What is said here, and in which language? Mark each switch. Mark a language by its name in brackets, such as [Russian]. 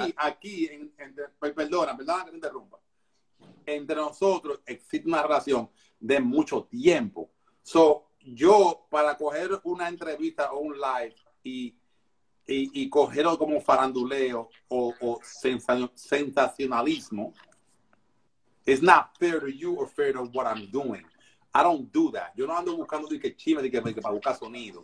[Spanish] Aquí perdona que te interrumpa. Entre nosotros existe una relación de mucho tiempo. So, yo, para coger una entrevista o un live y cogerlo como faranduleo o sensacionalismo, [English] It's not fair to you or fair to what I'm doing. I don't do that. [Spanish] Yo no ando buscando de que chiva, de que para buscar sonido.